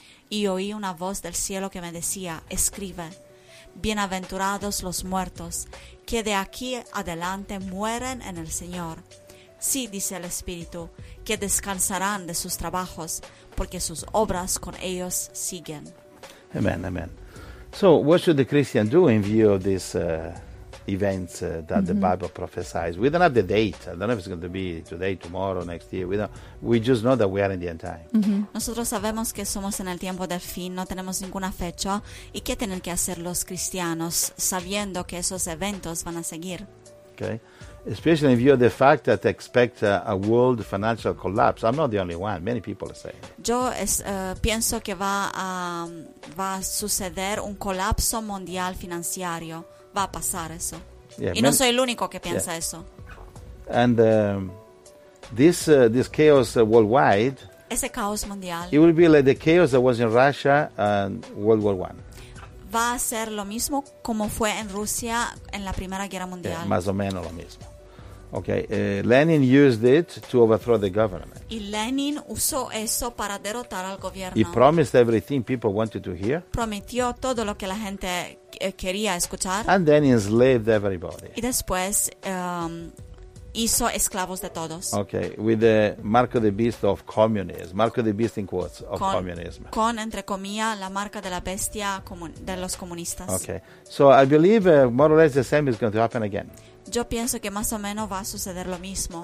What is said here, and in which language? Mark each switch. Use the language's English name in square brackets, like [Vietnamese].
[Spanish] Y oí una voz del cielo que me decía, escribe, bienaventurados los muertos, que de aquí adelante mueren en el Señor. Sí, dice el Espíritu, que descansarán de sus trabajos, porque sus obras con ellos siguen. [English] Amen, amen. So, what should the Christian do in view of this events that mm-hmm. the Bible prophesies? We don't have the date. I don't know if it's going to be today, tomorrow, next year. We just know that we are in the end time. Mm-hmm. [Spanish] Nosotros sabemos que somos en el tiempo del fin, no tenemos ninguna fecha. ¿Y qué tienen que hacer los cristianos sabiendo que esos eventos van a seguir? [English] Okay. Especially in view of the fact that they expect a world financial collapse. I'm not the only one. Many people are saying. [Spanish] Yo pienso que va a suceder un colapso mundial financiero. Va a pasar eso. [English] Yeah, [Spanish] y no soy el único que piensa eso. [English] And this chaos worldwide. [Spanish] Ese caos mundial. [English] It will be like the chaos that was in Russia and World War I. [Spanish] Va a ser lo mismo como fue en Rusia en la Primera Guerra Mundial. Yeah, más o menos lo mismo. [English] Okay, Lenin used it to overthrow the government. [Spanish] Y Lenin usó eso para derrotar al gobierno. [English] He promised everything people wanted to hear. [Spanish] Prometió todo lo que la gente quería escuchar. [English] And then enslaved everybody. [Spanish] Y después hizo esclavos de todos. [English] Okay, with the mark of the beast of communism. Mark of the beast in quotes of communism. [Spanish] Con entre comillas la marca de la bestia de los comunistas. [English] Okay, so I believe more or less the same is going to happen again. [Spanish] Yo pienso que más o menos va a suceder lo mismo.